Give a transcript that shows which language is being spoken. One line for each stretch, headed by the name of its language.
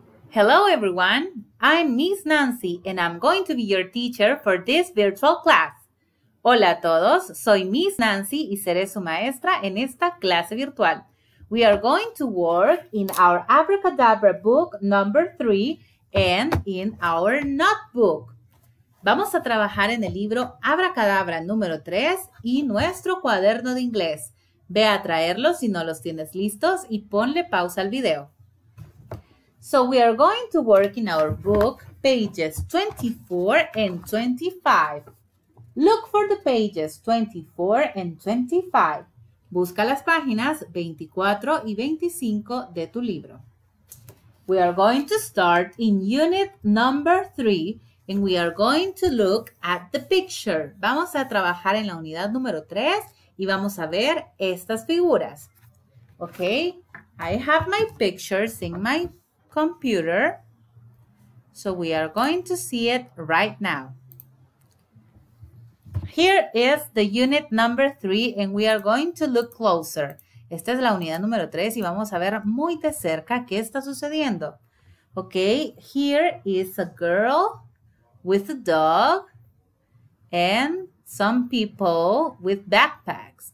English: Hello everyone, I'm Miss Nancy and I'm going to be your teacher for this virtual class.
Spanish: Hola a todos, soy Miss Nancy y seré su maestra en esta clase virtual.
English: We are going to work in our Abracadabra book number 3 and in our notebook.
Spanish: Vamos a trabajar en el libro Abracadabra número 3 y nuestro cuaderno de inglés. Ve a traerlos si no los tienes listos y ponle pausa al video.
English: So we are going to work in our book, pages 24 and 25. Look for the pages 24 and 25.
Spanish: Busca las páginas 24 y 25 de tu libro.
English: We are going to start in unit number 3 and we are going to look at the picture.
Spanish: Vamos a trabajar en la unidad número 3 y vamos a ver estas figuras.
English: Okay, I have my pictures in my computer, so we are going to see it right now. Here is the unit number 3 and we are going to look closer.
Spanish: Esta es la unidad número 3 y vamos a ver muy de cerca qué está sucediendo.
English: Okay, here is a girl with a dog and some people with backpacks.